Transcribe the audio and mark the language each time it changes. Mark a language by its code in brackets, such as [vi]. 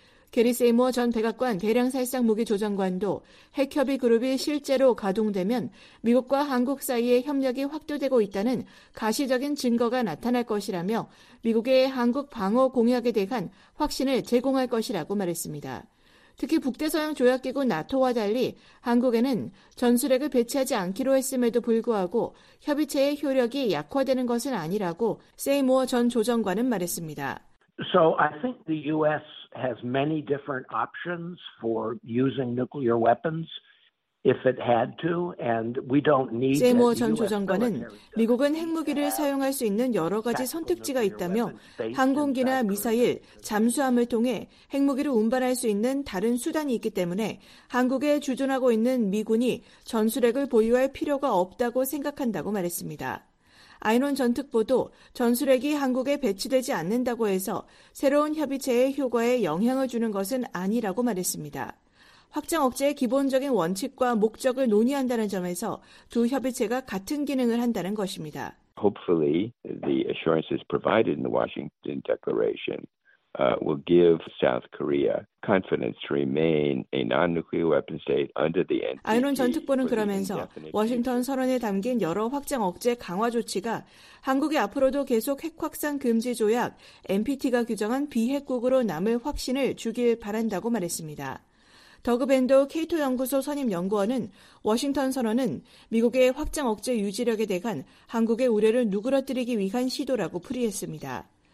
[ko] 게리 세이머 전 백악관 대량살상무기조정관도 핵협의 그룹이 실제로 가동되면 미국과 한국 사이의 협력이 확대되고 있다는 가시적인 증거가 나타날 것이라며 미국의 한국 방어 공약에 대한 확신을 제공할 것이라고 말했습니다. 특히 북대서양 조약기구 나토와 달리 한국에는 전술핵을 배치하지 않기로 했음에도 불구하고 협의체의 효력이 약화되는 것은 아니라고 세이머 전 조정관은 말했습니다. [en] So I think the U.S. has many different options for using nuclear weapons if it had to, and we don't need. [ko] 세모 전 조정관은 미국은 핵무기를 사용할 수 있는 여러 가지 선택지가 있다며 항공기나 미사일, 잠수함을 통해 핵무기를 운반할 수 있는 다른 수단이 있기 때문에 한국에 주둔하고 있는 미군이 전술핵을 보유할 필요가 없다고 생각한다고 말했습니다. 아이논 전 특보도 전술핵이 한국에 배치되지 않는다고 해서 새로운 협의체의 효과에 영향을 주는 것은 아니라고 말했습니다. 확장 억제의 기본적인 원칙과 목적을 논의한다는 점에서 두 협의체가 같은 기능을 한다는 것입니다. [en] Hopefully the assurances provided in the Washington Declaration will give South Korea confidence to remain a non-nuclear weapon state under the NPT. [ko] 아이논 전 특보는 그러면서 워싱턴 선언에 담긴 여러 확장 억제 강화 조치가 한국이 앞으로도 계속 핵확산 금지 조약 NPT가 규정한 비핵국으로 남을 확신을 주길 바란다고 말했습니다. 더그 벤도 케이토 연구소 선임 연구원은 워싱턴 선언은 미국의 확장 억제 유지력에 대한 한국의 우려를 누그러뜨리기 위한 시도라고 풀이했습니다.